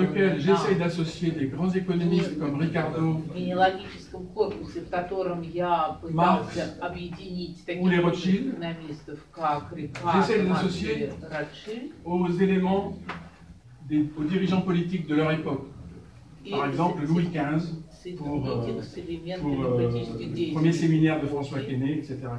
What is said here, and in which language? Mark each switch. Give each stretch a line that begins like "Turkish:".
French: Dans lequel j'essaie d'associer des grands économistes comme Ricardo.
Russian: В генеалогическом корпусе, в котором я пытался объединить таких экономистов, как Рикардо и Ротшильд,
French: aux éléments des aux dirigeants politiques de leur époque. Par exemple, Louis XV. Pour le premier séminaire de François Quesnay, etc.